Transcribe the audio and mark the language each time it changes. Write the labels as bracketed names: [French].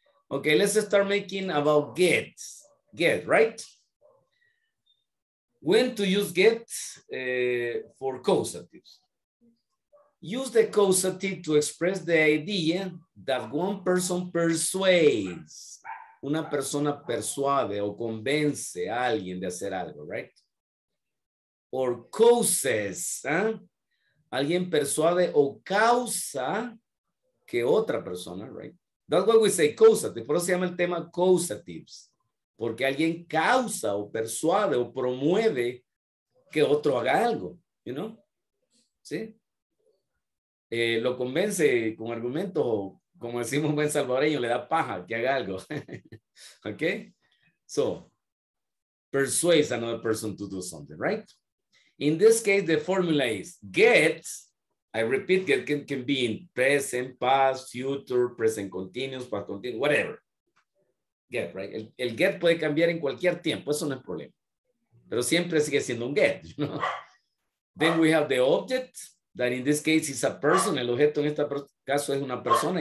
[English] Okay, let's start making about get. Get, right? When to use get for causatives? Use the causative to express the idea that one person persuades. [Spanish] Una persona persuade o convence a alguien de hacer algo, [English] right? Or causes. [Spanish] Alguien persuade o causa que otra persona, right? [English] That's why we say causative. [Spanish] Por eso se llama el tema causatives. Porque alguien causa o persuade o promueve que otro haga algo, [English] you know? [Spanish] ¿Sí? Lo convence con argumentos o, como decimos buen salvadoreño, le da paja que haga algo. [English] Okay? So, persuades another person to do something, right? In this case, the formula is get. I repeat, get can be in present, past, future, present continuous, past continuous, whatever. Get, right? [Spanish] El get puede cambiar en cualquier tiempo. Eso no es problema. Pero siempre sigue siendo un get, [English] you know? Then we have the object, that in this case is a person. [Spanish] El objeto en este caso es una persona.